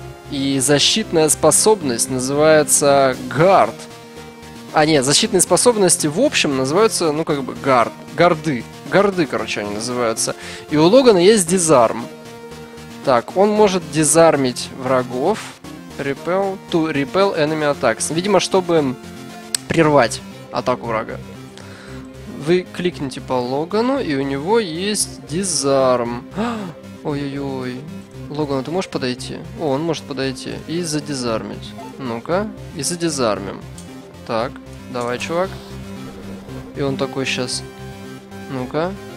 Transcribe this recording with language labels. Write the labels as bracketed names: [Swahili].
[Russian] И защитная способность называется Guard. А, нет, защитные способности в общем называются, ну, как бы, Guard. Гарды. Гарды, короче, они называются. И у Логана есть дизарм. Так, он может дизармить врагов. [English] Repel to repel enemy attacks. [Russian] Видимо, чтобы прервать атаку врага. Вы кликните по Логану, и у него есть дизарм. Ой-ой-ой. Логан, ты можешь подойти? О, он может подойти и задизармить. Ну-ка, и задизармим. Так, давай, чувак. И он такой сейчас. Ну-ка.